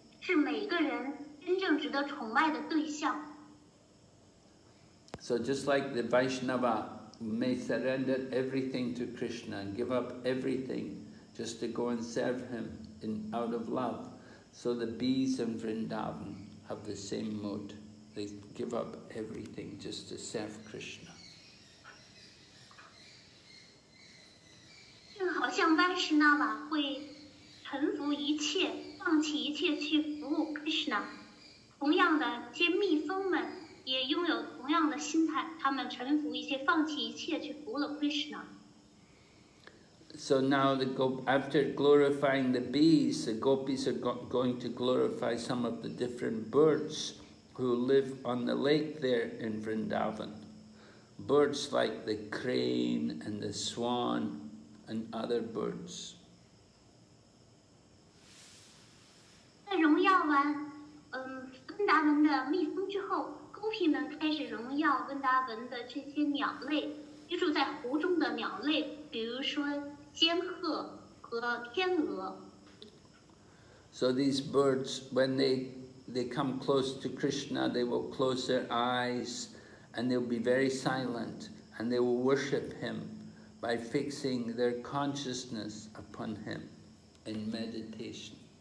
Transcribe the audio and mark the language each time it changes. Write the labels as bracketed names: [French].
[Chinese] 是每个人真正值得崇拜的对象。 [English] So just like the Vaishnava may surrender everything to Krishna and give up everything just to go and serve him in out of love, so the bees in Vrindavan have the same mood. They give up everything just to serve Krishna. [Chinese] 就好像 Vaishnava 会臣服一切。放弃一切去服务 Krishna， 同样的，这蜜蜂们也拥有同样的心态，他们臣服一切，放弃一切去服务了 Krishna。 [English] So now the after glorifying the bees, the gopis are going to glorify some of the different birds who live on the lake there in Vrindavan. Birds like the crane and the swan and other birds. [Chinese] 在荣耀完，温达文的蜜蜂之后，勾皮们开始荣耀温达文的这些鸟类，居住在湖中的鸟类，比如说仙鹤和天鹅。 [English] So these birds, when they they come close to Krishna, they will close their eyes and they'll be very silent and they will worship him by fixing their consciousness upon him in meditation.